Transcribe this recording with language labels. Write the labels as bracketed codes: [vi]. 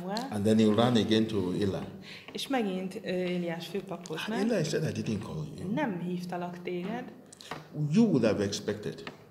[en] And then he ran again to Eli. [hu] És megint Eliás főpaphoz ment. [en] Eli said, I didn't call you. [hu] Nem hívtalak téged. [en] You would have expected.